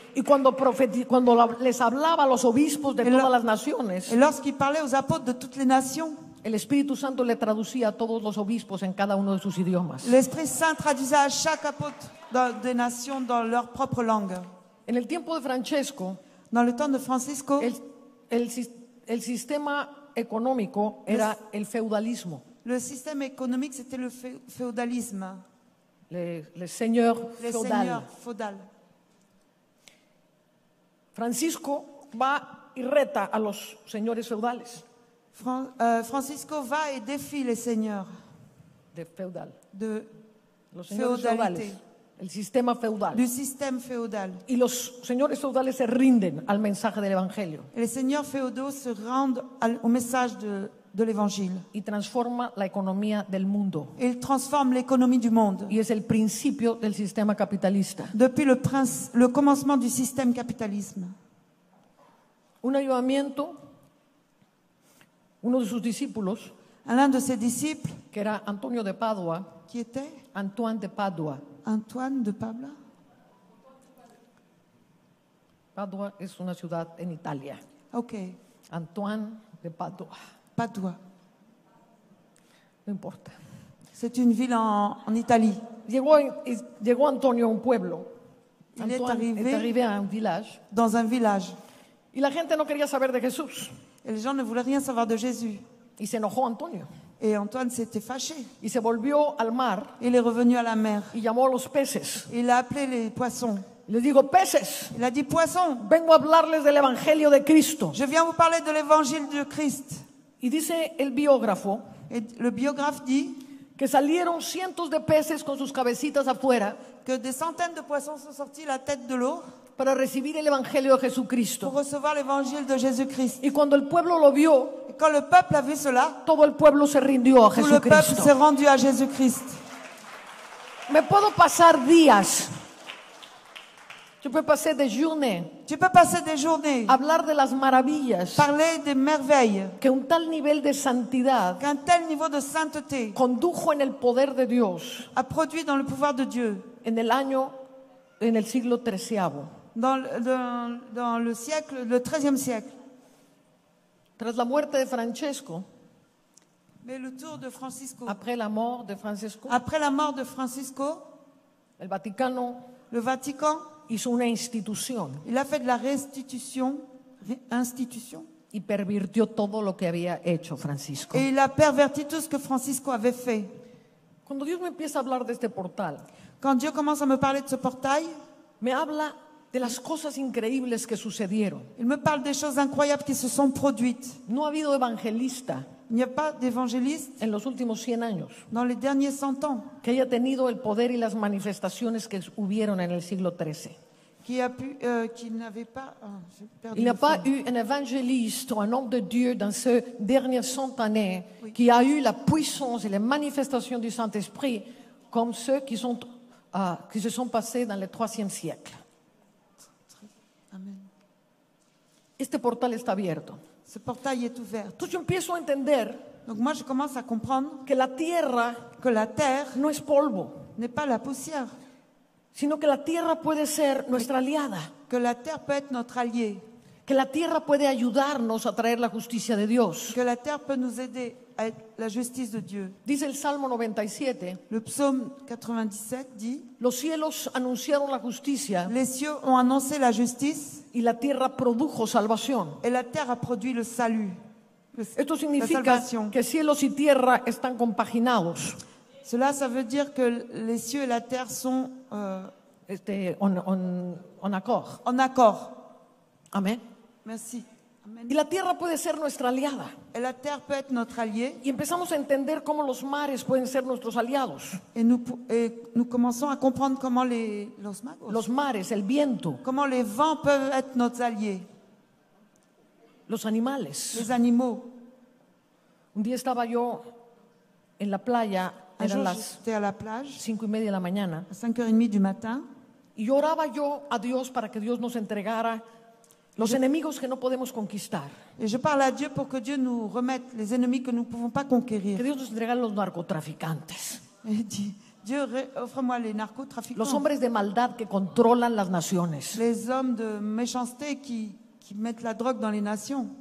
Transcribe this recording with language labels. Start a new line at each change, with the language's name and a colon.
Spanish: Y cuando les hablaba a los obispos de todas las naciones,
French: et lorsqu'il parlait aux apôtres de toutes les nations,
Spanish: el Espíritu Santo le traducía a todos los obispos en cada uno de sus idiomas.
French: L'Esprit Saint traduisait à chaque apôtre des nations dans leur propre langue.
Spanish: En el tiempo de Francesco,
French: dans le temps de Francisco,
Spanish: el sistema económico era el feudalismo.
French: Le système économique c'était le féodalisme. Les seigneurs féodales.
Spanish: Francisco va y reta a los señores feudales.
French: Francisco va y défie les seigneurs.
Spanish: De feudal. De los señores feudales. El sistema feudal.
French: Du système féodal.
Spanish: Y los señores feudales se rinden al mensaje del evangelio.
French: Les seigneurs féodaux se rendent au message de l'évangile.
Spanish: Y transforma la economía del mundo.
French: Il transforme l'économie du monde.
Spanish: Y es el principio del sistema capitalista.
French: Depuis le commencement du système capitalisme.
Spanish: Un avivamiento. Uno de sus discípulos,
French: un de ses disciples,
Spanish: que era Antonio de Padua,
French: qui était Antoine de Padua, Antoine de Padua.
Spanish: Padua es una ciudad en Italia.
English: Okay.
French: Antoine de Padua. Padua.
Spanish: No importa.
French: C'est une ville en Italie.
Spanish: Llegó Antonio a un pueblo.
French: Il est arrivé à un village. Dans un village.
Spanish: Y la gente no quería saber de Jesús.
French: Et les gens ne voulaient rien savoir de Jésus.
Spanish: Y se enojó Antonio.
French: Et Antoine s'était fâché.
Spanish: Y se volvió al mar.
French: Il est revenu à la mer.
Spanish: Y llamó a los peces.
French: Il a appelé les poissons.
Spanish: Le digo peces.
French: Il a dit poissons.
Spanish: Vengo a hablarles del evangelio de Cristo.
French: Je viens vous parler de l'évangile de Christ.
Spanish: Y dice el biógrafo.
French: Et le biographe dit
Spanish: que salieron cientos de peces con sus cabecitas afuera.
French: Que des centaines de poissons sont sortis la tête de l'eau.
Spanish: Para recibir el evangelio de Jesucristo.
French: Pour recevoir l'évangile de Jésus-Christ.
Spanish: Y cuando el pueblo lo vio,
French: et quand le peuple a vu cela,
Spanish: todo el pueblo se rindió a Jesucristo.
French: Tout le peuple s'est rendu à Jésus-Christ.
Spanish: Me puedo pasar días.
French: Tu peux passer des journées. Tu peux passer des journées.
Spanish: Hablar de las maravillas.
French: Parler des merveilles.
Spanish: Que un tal nivel de santidad.
French: Qu'un tel niveau de sainteté.
Spanish: Condujo en el poder de Dios.
French: A produit dans le pouvoir de Dieu.
Spanish: En el año, en el siglo XIII.
French: Dans le siècle, le XIIIe siècle.
Spanish: Tras la muerte de Francesco.
French: Mais le tour de Francisco. Après la mort de Francesco. Après la mort de Francisco.
Spanish: El Vaticano.
French: Le Vatican.
Spanish: Hizo una institución.
French: Il a fait de la restitution, institution.
Spanish: Y pervirtió todo lo que había hecho Francisco.
French: Et il a perverti tout ce que Francisco avait fait.
Spanish: Cuando Dios me empieza a hablar de este portal.
French: Quand Dieu commence à me parler de ce portail,
Spanish: me habla de las cosas increíbles que sucedieron.
French: Il me parle des choses incroyables qui se sont produites.
Spanish: No ha habido evangelista.
French: Il n'y a pas d'évangéliste
Spanish: en los últimos 100 años.
French: Dans les derniers 100 ans.
Spanish: Que haya tenido el poder y las manifestaciones que hubieron en el siglo XIII.
French: Qui a pu qui n'avait pas perdu. Il n'y a pas eu un évangéliste ou un homme de Dieu dans ces dernières 100 années, oui, qui a eu la puissance et les manifestations du Saint-Esprit comme ceux qui sont qui se sont passés dans le 3e siècle. Amen.
Spanish: Este portal está abierto.
French: Ce portail est ouvert. Tout, je
Spanish: empiezo a entender.
French: Donc moi je commence à comprendre
Spanish: que la tierra,
French: que la terre,
Spanish: no es polvo,
French: n'est pas la poussière,
Spanish: sino que la tierra puede ser nuestra aliada,
French: que la terre peut être notre allié,
Spanish: que la tierra puede ayudarnos a traer la justicia de Dios,
French: que la terre peut nous aider à être la justice de Dieu.
Spanish: Dice el Salmo 97.
French: Le psaume 97 dit.
Spanish: Los cielos anunciaron la justicia.
French: Les cieux ont annoncé la justice.
Spanish: Y la tierra produjo salvación.
French: Et la terre a produit le salut.
Spanish: Esto significa que cielos y tierra están compaginados.
French: Cela, ça veut dire que les cieux et la terre sont en accord. En accord.
Spanish: Amén.
French: Merci.
Spanish: Y la tierra puede ser nuestra aliada.
French: Et la terre peut être notre allié.
Spanish: Y empezamos a entender cómo los mares pueden ser nuestros aliados.
French: Et nous commençons à comprendre comment
Spanish: los mares, el viento.
French: Comment les vents peuvent être notre allié.
Spanish: Los animales.
French: Les animaux.
Spanish: Un día estaba yo en la playa.
French: J'étais à la plage.
Spanish: 5:30 de la mañana.
French: À 5:30 du matin.
Spanish: Y oraba yo a Dios para que Dios nos entregara los enemigos que no podemos conquistar.
French: Et je parle à Dieu pour que Dieu nous remette les ennemis que nous ne pouvons pas conquérir.
Spanish: Que Dios nos entregue los narcotraficantes.
French: Dieu, offre-moi les narcotrafiquants.
Spanish: Los hombres de maldad que controlan las naciones.
French: Les hommes de méchanceté qui mettent la drogue dans les nations.